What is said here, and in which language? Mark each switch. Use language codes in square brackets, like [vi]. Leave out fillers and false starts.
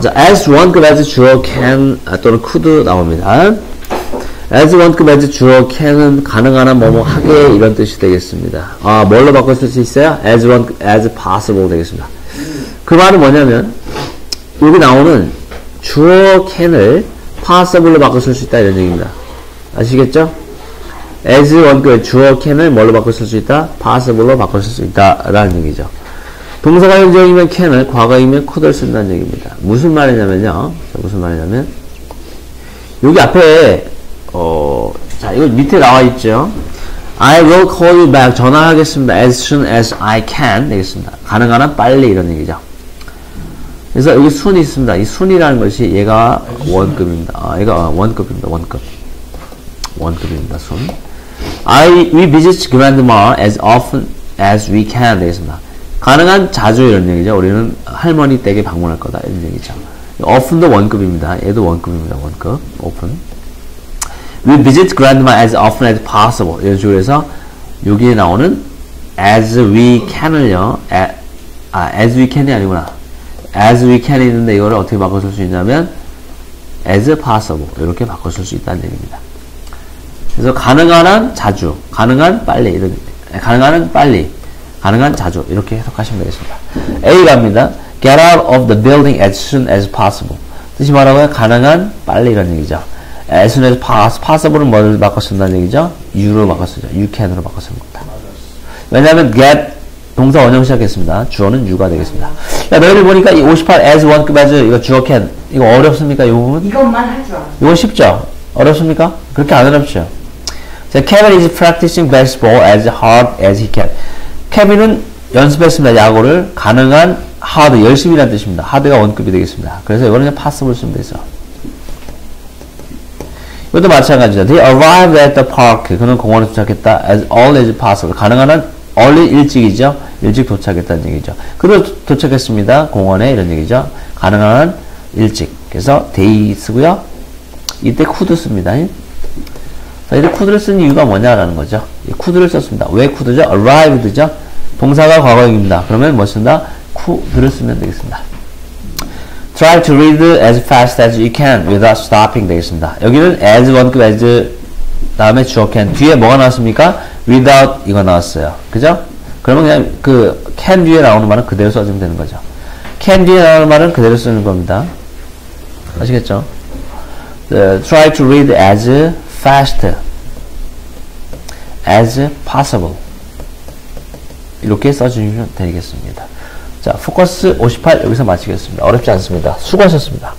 [ko] 자, as one급 as 주어 can 또는 could 나옵니다. as one급 as 주어 can은 가능한 한 뭐뭐 하게 이런 뜻이 되겠습니다. 아, 뭘로 바꿀 수 있어요? [en] as one as possible 되겠습니다. [ko] 그 말은 뭐냐면 여기 나오는 주어 can을 possible로 바꿀 수 있다 이런 얘기입니다. 아시겠죠? as 원격 주어 can을 뭘로 바꿀 수 있다? possible로 바꿀 수 있다 라는 얘기죠. 동사가 현재형이면 can을, 과거형이면 could를 쓴다는 얘기입니다. 무슨 말이냐면요, 자, 무슨 말이냐면 여기 앞에 자, 이거 밑에 나와 있죠. [en] I will call you back, [ko] 전화하겠습니다. [en] as soon as I can 되겠습니다. [ko] 가능한 한 빨리 이런 얘기죠. 그래서 여기 순이 있습니다. 이 순이라는 것이 얘가 원급입니다. 아, 얘가 원급입니다. 원급. 원급입니다. 순. [en] We visit grandma as often as we can 되겠습니다. [ko] 가능한 자주 이런 얘기죠. 우리는 할머니 댁에 방문할 거다 이런 얘기죠. often도 원급입니다. 얘도 원급입니다. 원급. often. [en] We visit grandma as often as possible. [ko] 이런 식으로 해서 여기에 나오는 as we can을요. as we can이 아니구나. as we can 있는데 이걸 어떻게 바꿔줄 수 있냐면 as possible 이렇게 바꿔줄 수 있다는 얘기입니다. 그래서 가능한 한 자주, 가능한 빨리 이런, 가능한 한 빨리, 가능한 자주 이렇게 해석하시면 되겠습니다. A 갑니다. [en] Get out of the building as soon as possible. [ko] 뜻이 뭐라고요? 가능한 빨리 이런 얘기죠. as soon as possible은 뭐를 바꿔준다는 얘기죠? you로 바꿔주죠. you can으로 바꿔줍니다. 왜냐하면 get 동사 원형 시작했습니다. 주어는 유가 되겠습니다. 야, 너희들 보니까 이 58 as one 급 as 이거 주어 can 이거 어렵습니까? 이 부분? 이것만 하죠. 이거 쉽죠? 어렵습니까? 그렇게 안 어렵죠. [en] 자, Kevin is practicing baseball as hard as he can. [ko] 케빈은 연습했습니다. 야구를 가능한 hard 열심이란 뜻입니다. hard가 원급이 되겠습니다. 그래서 이거는 possible 쓰면 되죠. 이것도 마찬가지죠. [en] They arrived at the park. [ko] 그는 공원에 도착했다. [en] As early as possible. [ko] 가능한 한 얼른 일찍이죠. 일찍 도착했다는 얘기죠. 그래도 도착했습니다. 공원에 이런 얘기죠. 가능한 한 일찍. 그래서 데이스고요. 이때 could 씁니다. 자, 이때 could를 쓴 이유가 뭐냐라는 거죠. 이 could를 썼습니다. 왜 could죠? arrived죠. 동사가 과거형입니다. 그러면 뭐 쓴다? could를 쓰면 되겠습니다. [en] try to read as fast as you can without stopping 되겠습니다. [ko] 여기는 as 원급 as 다음에 주어 can 뒤에 뭐가 나왔습니까? without 이거 나왔어요. 그죠? 그러면 그냥 그 can 뒤에 나오는 말은 그대로 써주면 되는 거죠. can 뒤에 나오는 말은 그대로 쓰는 겁니다. 아시겠죠? [en] try to read as fast as possible [ko] 이렇게 써주시면 되겠습니다. 자, 포커스 58 여기서 마치겠습니다. 어렵지 않습니다. 수고하셨습니다.